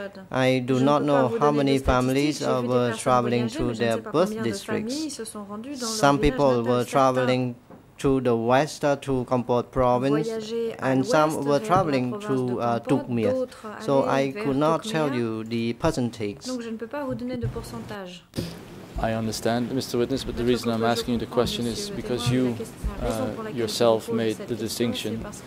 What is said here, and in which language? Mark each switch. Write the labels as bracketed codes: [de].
[en] I do not know how many families were traveling to their birth districts. Some people were traveling to the west, to Kompot province, and some were traveling to Tuk Miet. So I could not tell you the percentage. [fr] Donc je ne peux pas vous donner de pourcentage. [en] I understand, Mr. Witness, but the reason I'm asking you the question is because you yourself made the distinction.